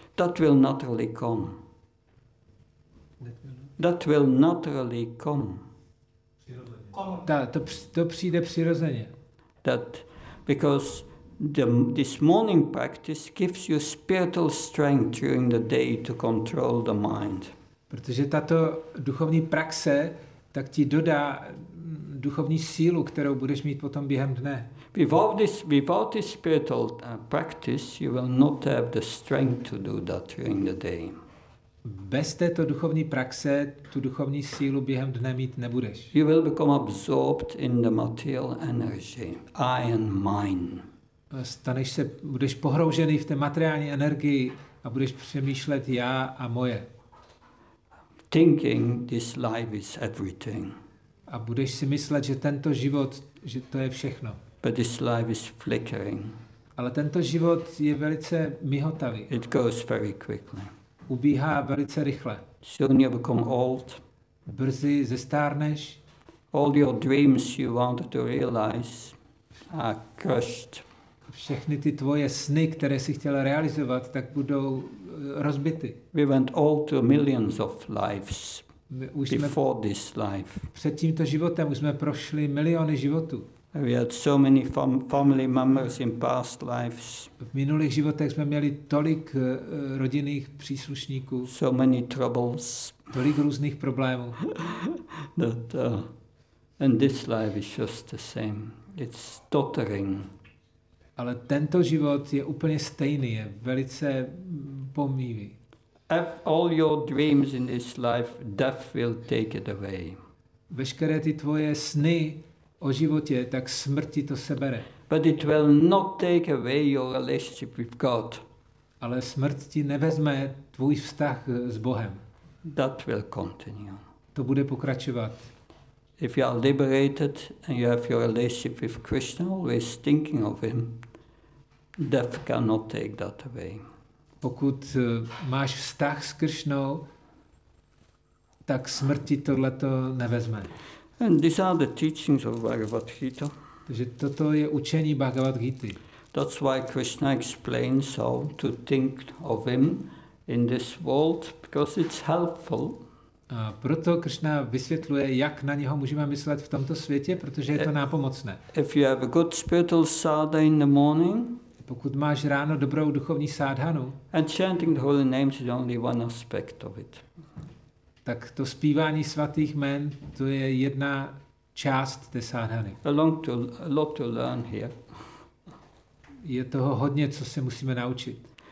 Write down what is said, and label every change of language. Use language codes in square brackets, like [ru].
[en] That will naturally come. That will naturally come. [cs] To přijde přirozeně. [en] That because this morning practice gives you spiritual strength during the day to control the mind. [cs] Protože tato duchovní praxe tak ti dodá duchovní sílu, kterou budeš mít potom během dne. [en] Without this spiritual practice, you will not have the strength to do that during the day. [cs] Bez této duchovní praxe tu duchovní sílu během dne mít nebudeš. [en] You will become absorbed in the material energy, I and mine. [cs] Budeš pohroužený v té materiální energii a budeš přemýšlet já a moje. [en] Thinking this life is everything. [cs] A budeš si myslet, že tento život, že to je všechno. [en] But this life is flickering. [cs] Ale tento život je velice mihotavý. [en] It goes very quickly. [cs] Ubíhá velice rychle. [en] Soon you become old. [cs] Brzy zestárneš. [en] All your dreams you wanted to realize are crushed. [cs] Všechny ty tvoje sny, které jsi chtěla realizovat, tak budou rozbity. [en] We went all to millions of lives. Before this life. [cs] Před tímto životem už jsme prošli miliony životů. [en] We had so many family members in past lives. [cs] V minulých životech jsme měli tolik rodinných příslušníků. [en] So many troubles. [cs] Tolik různých problémů. [en] And this life is just the same. It's tottering. [cs] Ale tento život je úplně stejný, je velice pomývý. [en] Have all your dreams in this life, death will take it away. [cs] Veškeré ty tvoje sny o životě, tak smrti to sebere. [en] But it will not take away your relationship with God. [cs] Ale smrt ti nevezme tvůj vztah s Bohem. [en] That will continue. [cs] To bude pokračovat. [en] If you are liberated and you have your relationship with Krishna, always thinking of him, death cannot take that away. [cs] Pokud máš vztah s Kršnou, tak smrti tohleto nevezme. [en] And these are the teachings of Bhagavad Gita. [cs] Takže toto je učení Bhagavad Gita. [en] That's why Krishna explains how to think of him in this world, because it's helpful. [cs] A proto Kršna vysvětluje, jak na něho můžeme myslet v tomto světě, protože je to nápomocné. [en] If you have a good spiritual sadha in the morning, [cs] pokud máš ráno dobrou duchovní sádhanu, [en] and chanting the holy names is only one aspect of it. [cs] Tak to zpívání svatých jmen, to je jedna část té sádhany. [en] A lot to learn here. [cs] Je toho hodně, co se musíme naučit.